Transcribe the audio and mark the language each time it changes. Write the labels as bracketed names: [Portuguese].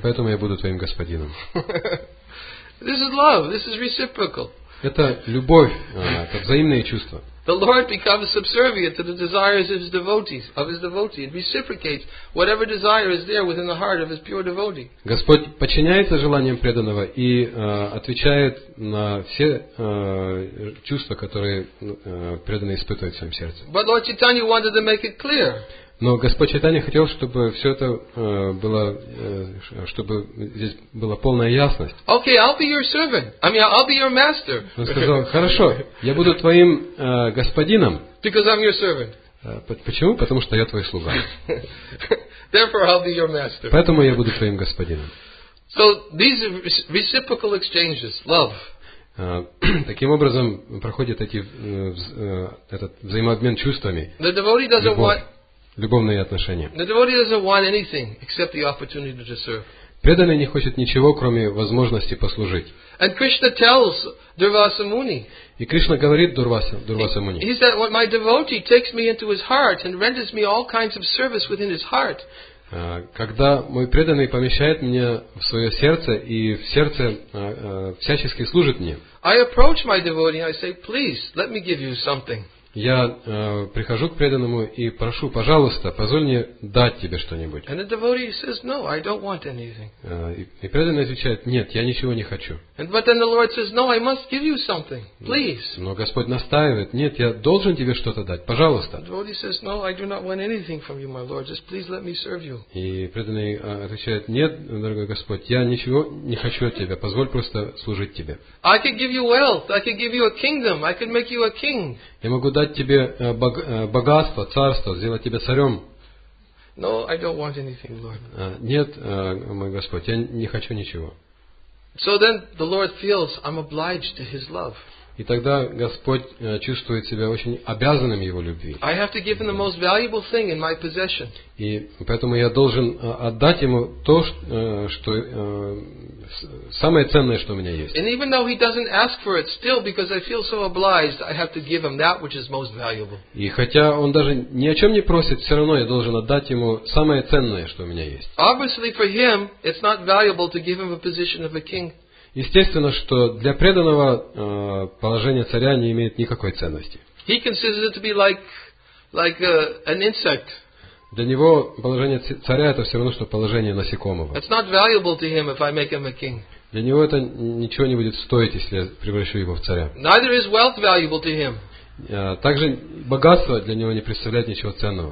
[Russian] Поэтому я буду твоим господином. [English] This is love. This is reciprocal. [Russian] Это любовь, это взаимные чувства. [English] The Lord becomes subservient to the desires of his devotees, of his devotee, and reciprocates whatever desire is there within the heart of his pure devotee. [Russian] Господь подчиняется желаниям преданного и отвечает на все чувства, которые преданный испытывает в своем сердце. [English] But Lord Chaitanya wanted to make it clear. [Russian] Но Господь Чайтанья хотел, чтобы все это было, чтобы здесь была полная ясность. [English] Okay, I'll be your servant. I mean, I'll be your master. [Russian] Он сказал, хорошо, я буду твоим господином. [English] Because I'm your servant. [Russian] Почему? Потому что я твой слуга. [English] Therefore, I'll be your master. [Russian] Поэтому я буду твоим господином. [English] So, these are reciprocal exchanges, love. [Russian] Таким образом проходит этот взаимообмен чувствами. [English] The devotee doesn't want... [Russian] Любовные отношения. [English] The devotee doesn't want anything except the opportunity to serve. [Russian] Преданный не хочет ничего, кроме возможности послужить. [English] And Krishna tells Durvasa Muni. [Russian] И Кришна говорит Дурваса Муни. [English] He said, "When my devotee takes me into his heart and renders me all kinds of service within his heart." [Russian] Когда мой преданный помещает меня в свое сердце и в сердце всячески служит мне. [English] I approach my devotee. I say, "Please, let me give you something." [Russian] Я прихожу к преданному и прошу, пожалуйста, позволь мне дать тебе что-нибудь. [English] And the devotee says, "No, I don't want anything." [Russian] И преданный отвечает, нет, я ничего не хочу. [English] But then the Lord says, "No, I must give you something, please." [Russian] Но Господь настаивает, нет, я должен тебе что-то дать, пожалуйста. [English] The devotee says, "No, I do not want anything from you, my Lord. Just please let me serve you." [Russian] И преданный отвечает, нет, дорогой Господь, я ничего не хочу от тебя, позволь просто служить тебе. [English] I could give you wealth, I could give you a kingdom, I could make you a king. [Russian] Я могу дать тебе богатство, царство, сделать тебя царем. [English] No, I don't want anything, Lord. [Russian] Нет, мой Господь, я не хочу ничего. [English] So then the Lord feels I'm obliged to His love. [Russian] И тогда Господь чувствует себя очень обязанным Его любви. [English] I have to give Him the most valuable thing in my possession. [Russian] И поэтому я должен отдать Ему то, что самое ценное, что у меня есть. [English] And even though He doesn't ask for it, still because I feel so obliged, I have to give Him that which is most valuable. [Russian] И хотя Он даже ни о чем не просит, все равно я должен отдать Ему самое ценное, что у меня есть. [English] Obviously for Him, it's not valuable to give Him a position of a king. [Russian] Естественно, что для преданного положение царя не имеет никакой ценности. [English] He considers it to be like an insect. [Russian] Для него положение царя это все равно, что положение насекомого. [English] It's not valuable to him if I make him a king. [Russian] Для него это ничего не будет стоить, если я превращу его в царя. [English] Neither is wealth valuable to him. [Russian] Также богатство для него не представляет ничего ценного.